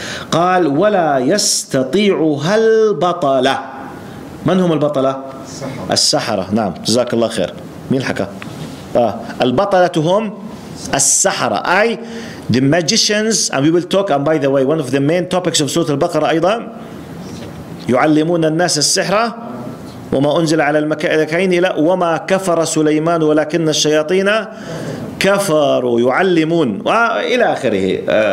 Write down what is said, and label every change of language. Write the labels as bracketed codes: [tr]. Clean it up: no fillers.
[ar] قال ولا يستطيعها البطلة. من هم البطلة؟ السحرة. نعم. جزاك الله خير. مين حكى؟ البطلة هم السحرة. [en] أي the magicians. And we will talk. And by the way, one of the main topics of سورة البقرة أيضا. [ar] يعلمون الناس السحرة. وما أنزل على الملكين لا وما كفر سليمان ولكن الشياطين كفروا يعلمون وإلى آخره.